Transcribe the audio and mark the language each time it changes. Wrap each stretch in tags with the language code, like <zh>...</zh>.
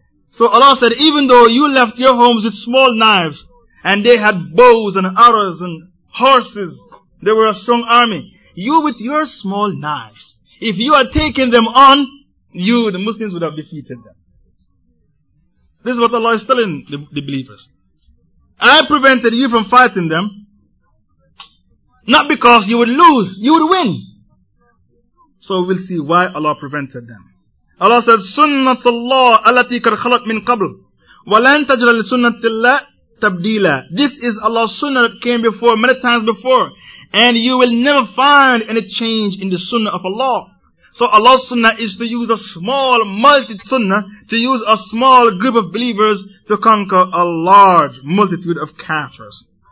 <en>So Allah said, even though you left your homes with small knives, and they had bows and arrows and horses, they were a strong army, you with your small knives, if you had taken them on, you, the Muslims, would have defeated them. This is what Allah is telling the believers. I prevented you from fighting them, not because you would lose, you would win. So we'll see why Allah prevented them. Allah said,</en> <ar>سُنَّةُ اللَّهِ أَلَّتِي كَدْ خَلَتْ مِنْ قَبْلُ وَلَنْ تَجْرَ لِسُنَّةِ اللَّهِ تَبْدِيلًا.</ar> <en>This is Allah's sunnah that came before, many times before. And you will never find any change in the sunnah of Allah. So Allah's sunnah is to use a small multitude sunnah, to use a small group of believers to conquer a large multitude of kafirs.</en>